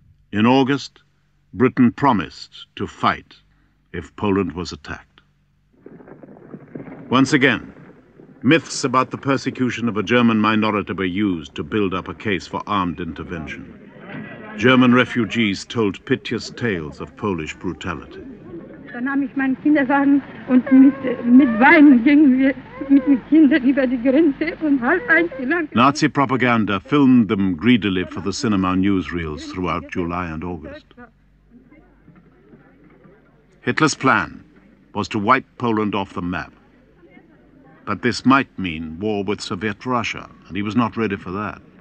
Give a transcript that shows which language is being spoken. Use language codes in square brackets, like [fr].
[en] In August, Britain promised to fight if Poland was attacked. Once again, myths about the persecution of a German minority were used to build up a case for armed intervention. German refugees told piteous tales of Polish brutality. [de] Dann nahm ich meinen Kinderwagen und mit Weinen gingen wir mit den Kindern über die Grenze und halb eins lang. [en] Nazi Propaganda filmed them greedily for the cinema newsreels throughout July and August. Hitler's plan was to wipe Poland off the map. But this might mean war with Soviet Russia, and he was not ready for that.